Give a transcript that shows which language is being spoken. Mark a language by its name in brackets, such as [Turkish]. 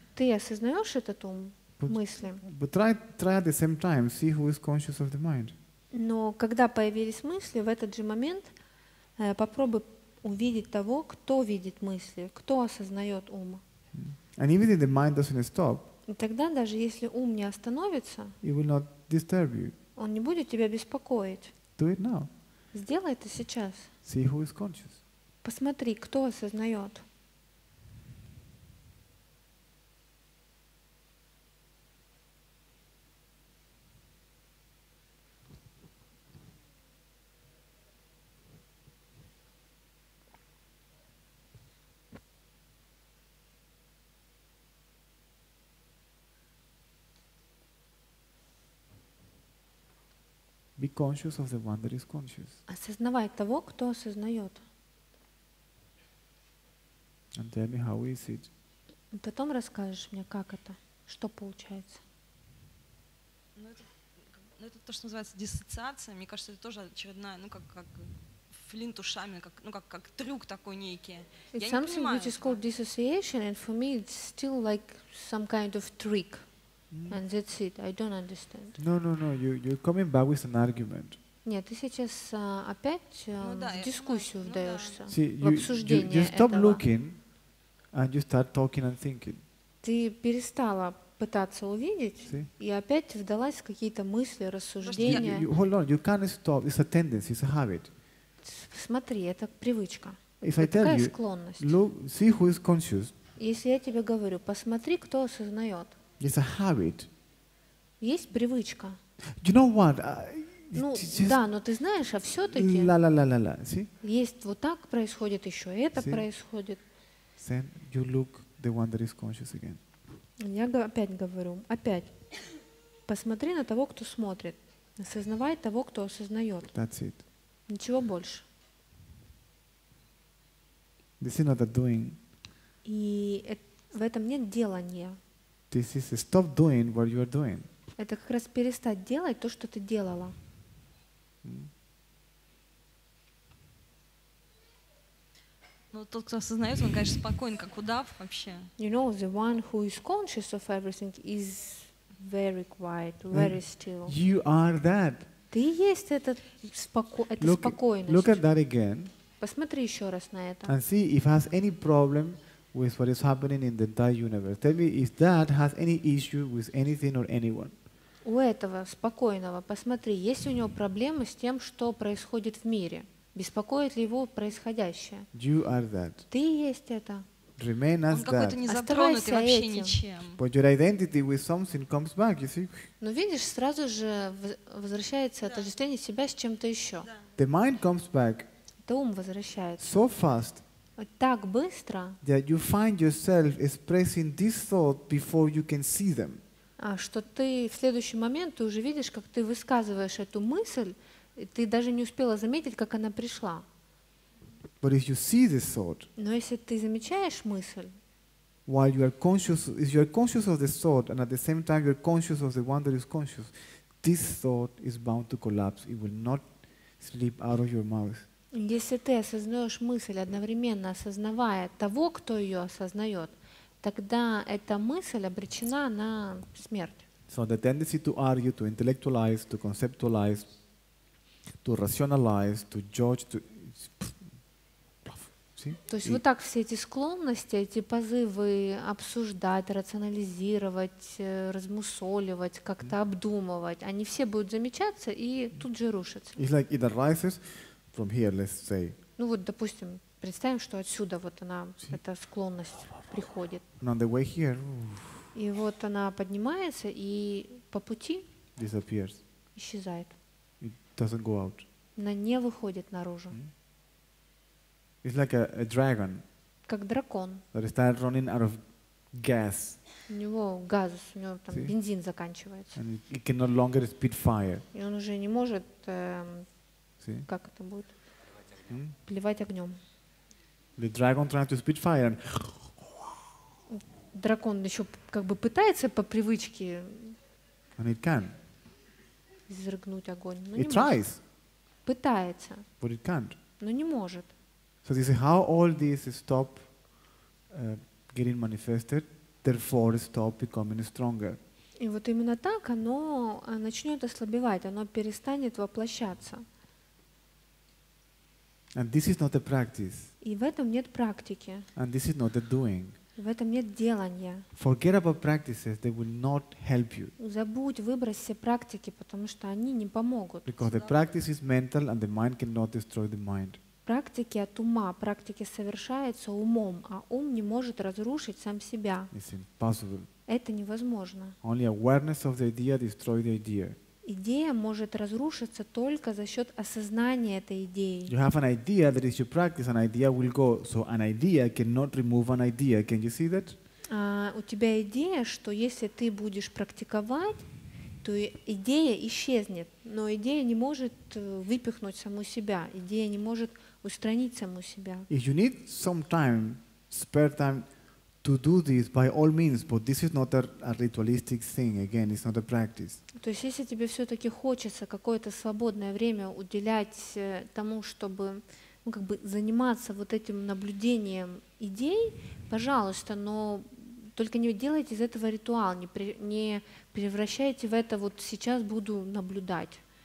[Russian] Ты осознаешь этот ум, мысли. [English] But try at the same time, see who is conscious of the mind. [Russian] Но когда появились мысли, в этот же момент попробуй увидеть того, кто видит мысли, кто осознает ум. [English] And even if the mind doesn't stop, [Russian] и тогда, даже если ум не остановится, [English] it will not disturb you. [Russian] Он не будет тебя беспокоить. [English] Do it now. [Russian] Сделай это сейчас. [English] See who is conscious. [Russian] Посмотри, кто осознает. [English] Be conscious of the one that is conscious. [Russian] Осознавай того, кто осознает. [English] And tell me how is it. [Russian] И потом расскажешь мне, как это, что получается. Ну это то, что называется диссоциация. Мне кажется, это тоже очередная, ну как флинт ушами, как трюк такой некий. Я не понимаю. [English] It's something which is called dissociation, and for me it's still like some kind of trick. And that's it. I don't understand. No. You're coming back with an argument. [Russian] Нет, ты сейчас опять в дискуссию вдаешься. [English] See, [Russian] в обсуждение этого. [English] You stop looking, and you start talking and thinking. [Russian] Ты перестала пытаться увидеть, и опять вдалась в какие-то мысли, рассуждения. [English] Hold on. You can't stop. It's a tendency. It's a habit. [Russian] Смотри, это привычка. [English] If I tell you, look, see who is conscious. [Russian] Если я тебе говорю, посмотри, кто осознает. [English] It's a habit. [Russian] Есть привычка. [English] You know what? [Russian] Ну да, но ты знаешь, а все-таки. [English] La. See? [Russian] Есть вот так происходит еще, это происходит. [English] Then you look the one that is conscious again. [Russian] Я опять говорю, опять. Посмотри на того, кто смотрит. Осознавай того, кто осознает. [English] That's it. [Russian] Ничего больше. [English] This is not a doing. [Russian] И в этом нет делания. [English] This is a stop doing what you are doing. [Russian] Это как раз перестать делать то, что ты делала. Ну, тот, кто осознает, он, конечно, спокоен, как удав вообще. [English] You know, the one who is conscious of everything is very quiet, very still. You are that. [Russian] Ты есть этот спокойность. [English] Look at that again. [Russian] Посмотри еще раз на это. [English] And see if has any problem with what is happening in the entire universe. Tell me if that has any issue with anything or anyone. [Russian] У этого спокойного, посмотри, есть ли у него проблемы с тем, что происходит в мире? Беспокоит ли его происходящее? [English] You are that. [Russian] Ты есть это. [English] Remain as [Russian] он какой-то не затронутый вообще ничем. [English] But your identity with something comes back, you see? [Russian] Но видишь, сразу же возвращается отождествление себя с чем-то еще. [English] The mind comes back. [Russian] Это ум возвращается. [English] So fast. [Russian] Так быстро. [English] That you find yourself expressing this thought before you can see them. [Russian] А что ты в следующий момент ты уже видишь, как ты высказываешь эту мысль, и ты даже не успела заметить, как она пришла. [English] But if you see this thought, [Russian] но если ты замечаешь мысль, [English] while you are conscious, if you are conscious of the thought and at the same time you are conscious of the one that is conscious, this thought is bound to collapse. It will not slip out of your mouth. [Russian] Если ты осознаешь мысль одновременно осознавая того, кто ее осознает, тогда эта мысль обречена на смерть. [English] So the tendency to argue, to intellectualize, to conceptualize, to rationalize, to judge, to see? [Russian] То есть вот так все эти склонности, эти позывы обсуждать, рационализировать, размусоливать, как-то обдумывать, они все будут замечаться и тут же рушатся. [English] It's like it arises from here, let's say. [Russian] Ну вот, допустим, представим, что отсюда вот она, эта склонность приходит. [English] On the way here. [Russian] И вот она поднимается и по пути [English] disappears. [Russian] Исчезает. [English] It doesn't go out. [Russian] Она не выходит наружу. [English] It's like a dragon. [Russian] Как дракон. [English] That started running out of gas. [Russian] У него газ, у него там бензин заканчивается. [English] And it can no longer spit fire. [Russian] И он уже не может, как это будет, плевать огнем. [English] The dragon trying to spit fire. [Russian] Дракон еще как бы пытается по привычке. [English] And it can. [Russian] Изрыгнуть огонь. [English] It tries. [Russian] Пытается. [English] But it can't. [Russian] Но не может. [English] So this is how all this stop getting manifested, therefore stop becoming stronger. [Russian] И вот именно так оно начнет ослабевать, оно перестанет воплощаться. [English] And this is not a practice. [Russian] И в этом нет практики. [English] And this is not a doing. [Russian] В этом нет делания. [English] Forget about practices, they will not help you. [Russian] Забудь, выбрось все практики, потому что они не помогут. [English] Because the practice is mental and the mind cannot destroy the mind. [Russian] Практики от ума, практики совершаются умом, а ум не может разрушить сам себя. [English] It's impossible. [Russian] Это невозможно. [English] Only awareness of the idea destroys the idea. [Russian] Идея может разрушиться только за счет осознания этой идеи. [English] You have an idea that is your practice, an idea will go. So an idea cannot remove an idea. Can you see that? [Russian] У тебя идея, что если ты будешь практиковать, то идея исчезнет. Но идея не может выпихнуть саму себя. Идея не может устранить саму себя. [English] If you need some time, spare time to do this, by all means, but this is not a ritualistic thing. Again, it's not a practice. [Russian] То есть, если тебе все-таки хочется какое-то свободное время уделять тому, чтобы, ну, как бы заниматься вот этим наблюдением идей, пожалуйста, но только не делайте из этого ритуал, не превращайте в это вот сейчас буду наблюдать.